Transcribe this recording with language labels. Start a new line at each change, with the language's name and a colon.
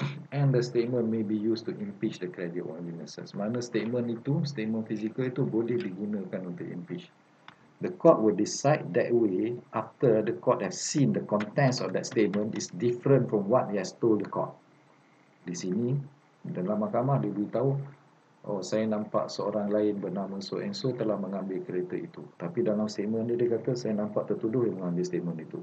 English: And the statement may be used to impeach the credit of witnesses.
Malay: Mana statement itu, statement fizikal itu boleh digunakan untuk impeach.
English: The court will decide that way after the court has seen the contents of that statement is different from what he has told the court.
Malay: Di sini, dalam mahkamah dia beritahu, oh saya nampak seorang lain bernama so-and-so telah mengambil kereta itu. Tapi dalam statement dia kata saya nampak tertuduh yang mengambil statement itu.